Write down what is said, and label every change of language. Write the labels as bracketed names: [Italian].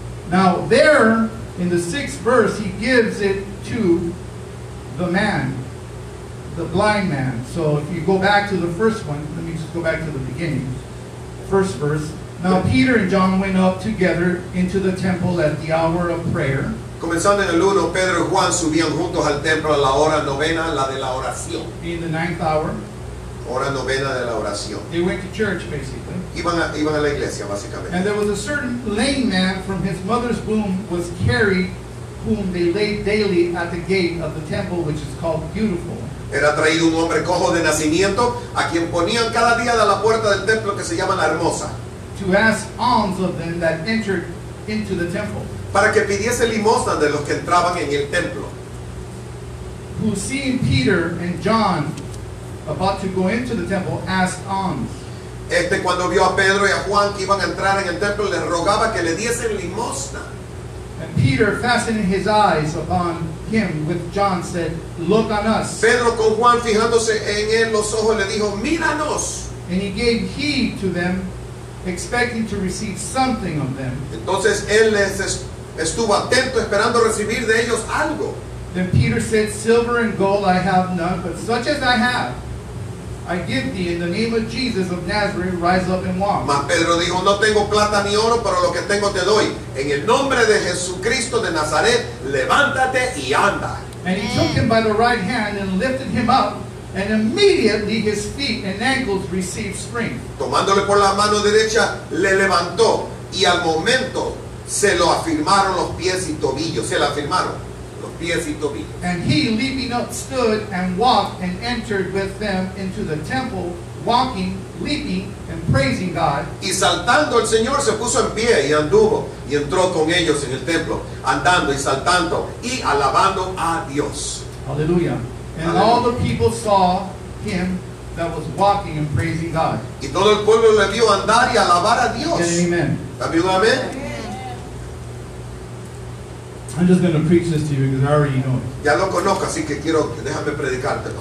[English] Now there, in the 6th verse, he gives it to the man, the blind man. So if you go back to the first one, let me just go back to the beginning. First verse. Now Peter and John went up together into the temple at the hour of prayer. [Spanish] Comenzando en el 1, Pedro y Juan subían juntos al templo a la hora novena, la de la oración. [English] In the 9th hour. [Spanish] Hora novena de la oración. [English] They went to church, basically. [Spanish] Iban a la iglesia, básicamente. [English] And there was a certain lame man from his mother's womb was carried, whom they laid daily at the gate of the temple, which is called Beautiful. [Spanish] Era traído un hombre cojo de nacimiento, a quien ponían cada día de la puerta del templo que se llama la Hermosa. [English] To ask alms of them that entered into the temple. [Spanish] Para que pidiese limosna de los que entraban en el templo. [English] Who, seeing Peter and John about to go into the temple, asked alms. [Spanish] Este, cuando vio a Pedro y a Juan que iban a entrar en el templo, les rogaba que le diesen limosna. [English] And Peter, fastening his eyes upon him with John, said, look on us. [Spanish] Pedro con Juan fijándose en él los ojos le dijo, míranos. [English] And he gave heed to them, expecting to receive something of them. [Spanish] Entonces él les estuvo atento esperando recibir de ellos algo. [English] Then Peter said, silver and gold I have none, but such as I have, I give thee, in the name of Jesus of Nazareth, rise up and walk. [Spanish] Mas Pedro dijo, no tengo plata ni oro, pero lo que tengo te doy. En el nombre de Jesucristo de Nazaret, levántate y anda. [English] And he took him by the right hand and lifted him up, and immediately his feet and ankles received strength. [Spanish] Tomándole por la mano derecha, le levantó, y al momento se lo afirmaron los pies y tobillos. Se lo afirmaron los pies y tobillos. [English] And he, leaping up, stood and walked and entered with them into the temple, walking, leaping, and praising God. [Spanish] Y saltando el Señor se puso en pie y anduvo y entró con ellos en el templo, andando y saltando y alabando a Dios. Aleluya. [English] And all the people saw him that was walking and praising God. [Spanish] Y todo el pueblo le vio andar y alabar a Dios. [English] Amen. [Spanish] ¿También un amén? [English] I'm just going to preach this to you because I already know it. [Spanish] Ya lo conozco, así que quiero, déjame predicártelo.